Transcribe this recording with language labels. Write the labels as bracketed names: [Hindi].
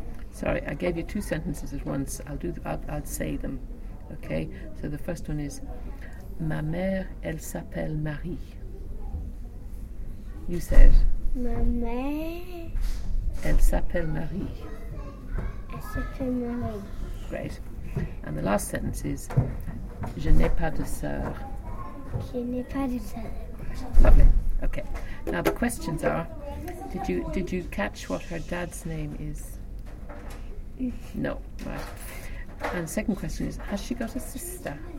[English] Sorry, I gave you two sentences at once. I'll say them. Okay? So the first one is, [French] ma mère, elle s'appelle Marie. [English] You said. [French] Ma mère. Elle s'appelle Marie. Elle s'appelle Marie. [English] Great. And the last sentence is, [French] je n'ai pas de sœur. Je n'ai pas de sœur. [English] Lovely. Okay. Now the questions are, did you catch what her dad's name is? No. Right. And the second question is, has she got a sister?